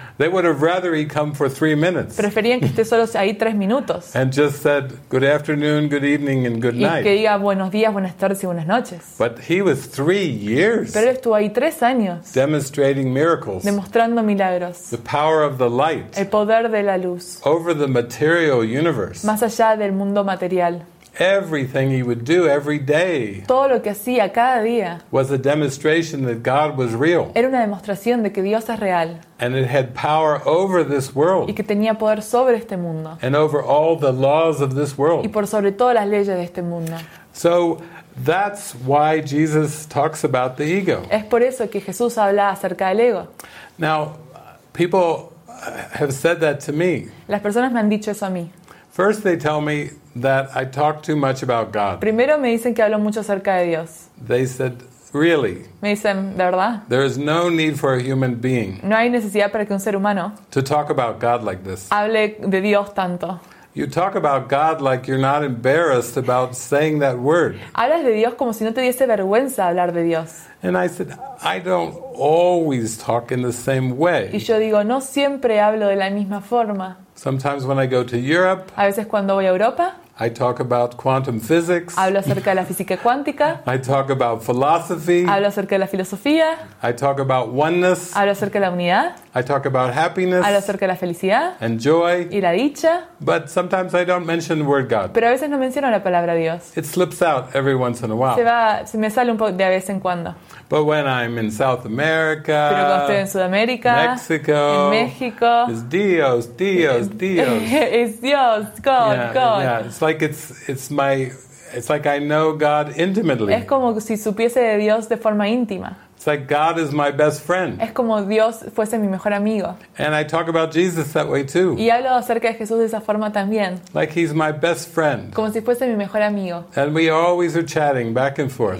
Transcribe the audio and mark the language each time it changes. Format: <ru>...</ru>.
<en>They would have rather he come for 3 minutes.</en> <es>Preferían que esté solo ahí 3 minutos.</es> <en>And just said good afternoon, good evening, and good night.</en> <es>Y que diga buenos días, buenas tardes y buenas noches.</es> <en>But he was 3 years.</en> <es>Pero estuvo ahí 3 años.</es> <en>Demonstrating miracles.</en> <es>Demostrando milagros.</es> <en>The power of the light.</en> <es>El poder de la luz.</es> <en>Over the material universe.</en> <es>Más allá del mundo material.</es> <en>Everything he would do every day.</en> <es>Todo lo que hacía cada día.</es> <en>Was a demonstration that God was real.</en> <es>Era una demostración de que Dios es real.</es> <en>And it had power over this world.</en> <es>Y que tenía poder sobre este mundo.</es> <en>And over all the laws of this world.</en> <es>Y por sobre todas las leyes de este mundo.</es> <en>So that's why Jesus talks about the ego.</en> <es>Es por eso que Jesús habla acerca del ego.</es> <en>Now, people have said that to me.</en> <es>Las personas me han dicho eso a mí.</es> <en>First they tell me that I talk too much about God.</en> <es>Primero me dicen que hablo mucho acerca de Dios.</es> <en>They said, really?</en> <es>Me dicen, ¿de verdad?</es> <en>There is no need for a human being.</en> <es>No hay necesidad para que un ser humano</es> <en>to talk about God like this.</en> <es>Hable de Dios tanto.</es> <en>You talk about God like you're not embarrassed about saying that word.</en> <es>Hablas de Dios como si no te diese vergüenza hablar de Dios.</es> <en>And I said, I don't always talk in the same way.</en> <es>Y yo digo, no siempre hablo de la misma forma.</es> <en>Sometimes when I go to Europe,</en> <es>a veces cuando voy a Europa,</es> <en>I talk about quantum physics.</en> <es>Hablo acerca de la física cuántica.</es> <en>I talk about philosophy.</en> <es>Hablo acerca de la filosofía.</es> <en>I talk about oneness.</en> <es>Hablo acerca de la unidad.</es> <en>I talk about happiness.</en> <es>Hablo acerca de la felicidad.</es> <en>And joy.</en> <es>Y la dicha.</es> <en>But sometimes I don't mention the word God.</en> <es>Pero a veces no menciono la palabra Dios.</es> <en>It slips out every once in a while.</en> <es>Se me sale un poco de vez en cuando.</es> <en>But when I'm in South America,</en> <es>pero cuando estoy en Sudamérica,</es> <en>Mexico,</en> <es>en México,</es> <en>it's Dios, Dios, Dios. It's Dios, God, yeah, God. Yeah, it's like I know God intimately.</en> <es>Es como si supiese de Dios de forma íntima.</es> <en>It's like God is my best friend.</en> <es>Es como Dios fuese mi mejor amigo.</es> <en>And I talk about Jesus that way too.</en> <es>Y hablo acerca de Jesús de esa forma también.</es> <en>Like he's my best friend.</en> <es>Como si fuese mi mejor amigo.</es> <en>And we always are chatting back and forth.</en>